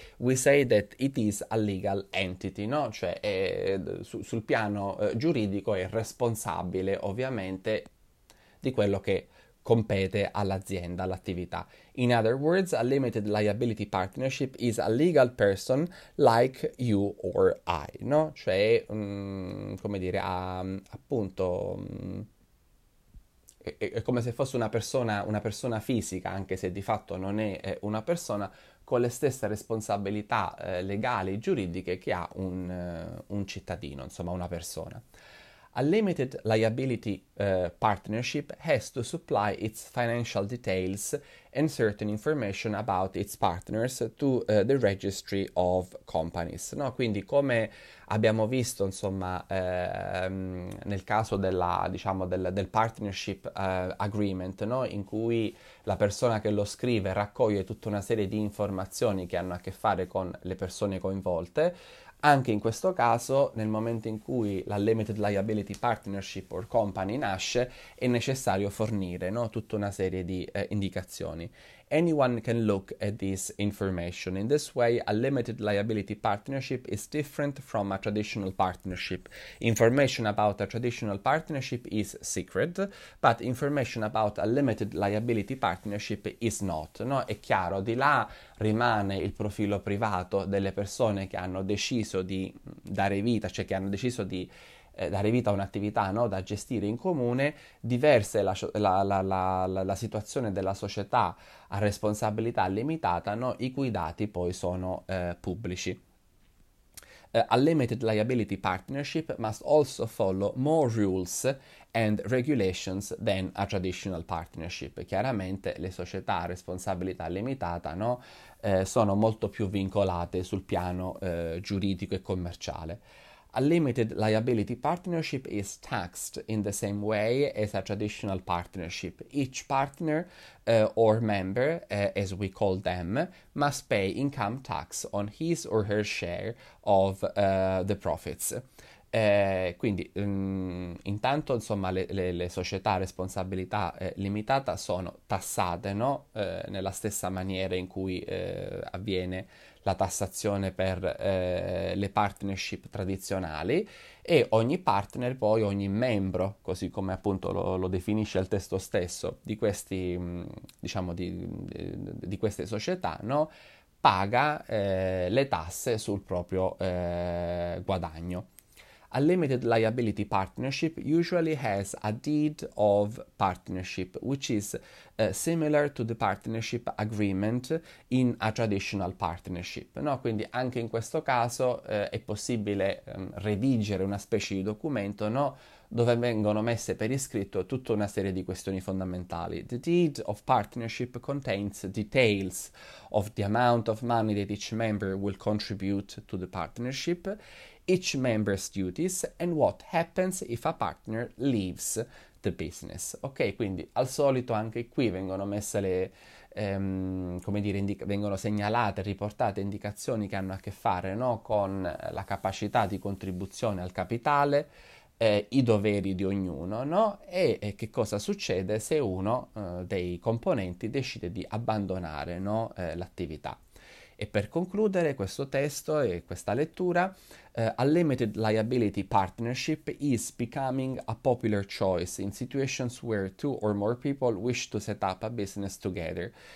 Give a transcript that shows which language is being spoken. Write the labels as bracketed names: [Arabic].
[English] We say that it is a legal entity, no? [Italian] Cioè, sul piano giuridico è responsabile, ovviamente, di quello che compete all'azienda, all'attività. [English] In other words, a limited liability partnership is a legal person like you or I, no? [Italian] Cioè, come dire, appunto, è come se fosse una persona fisica, anche se di fatto non è una persona, con le stesse responsabilità legali e giuridiche che ha un cittadino, insomma, una persona. [English] A limited liability partnership has to supply its financial details and certain information about its partners to the registry of companies. [Italian] No, quindi come abbiamo visto, insomma, nel caso della, diciamo, del partnership agreement, no, in cui la persona che lo scrive raccoglie tutta una serie di informazioni che hanno a che fare con le persone coinvolte. Anche in questo caso, nel momento in cui la [English] Limited Liability Partnership or Company [Italian] nasce, è necessario fornire, no, tutta una serie di indicazioni. [English] Anyone can look at this information. In this way, a limited liability partnership is different from a traditional partnership. Information about a traditional partnership is secret, but information about a limited liability partnership is not. [Italian] No, è chiaro, di là rimane il profilo privato delle persone che hanno deciso di dare vita, cioè che hanno deciso di dare vita a un'attività, no, da gestire in comune. Diversa è la situazione della società a responsabilità limitata, no, i cui dati poi sono pubblici. [English] A limited liability partnership must also follow more rules and regulations than a traditional partnership. [Italian] Chiaramente le società a responsabilità limitata, no, sono molto più vincolate sul piano giuridico e commerciale. [English] A limited liability partnership is taxed in the same way as a traditional partnership. Each partner or member, as we call them, must pay income tax on his or her share of the profits. [Italian] Quindi, intanto, insomma, le società a responsabilità limitata sono tassate, no? Nella stessa maniera in cui avviene la tassazione per le partnership tradizionali, e ogni partner, poi ogni membro, così come appunto lo definisce il testo stesso, di questi, diciamo, di queste società, no, paga le tasse sul proprio guadagno. [English] A limited liability partnership usually has a deed of partnership, which is similar to the partnership agreement in a traditional partnership. [Italian] No, quindi anche in questo caso è possibile redigere una specie di documento, no, dove vengono messe per iscritto tutta una serie di questioni fondamentali. [English] The deed of partnership contains details of the amount of money that each member will contribute to the partnership, each member's duties, and what happens if a partner leaves the business. [Italian] Ok, quindi al solito anche qui vengono messe le, come dire, vengono segnalate, riportate indicazioni che hanno a che fare, no, con la capacità di contribuzione al capitale, i doveri di ognuno, no? E che cosa succede se uno dei componenti decide di abbandonare, no, l'attività. E per concludere questo testo e questa lettura, [English] a limited liability partnership is becoming a popular choice in situations where two or more people wish to set up a business together.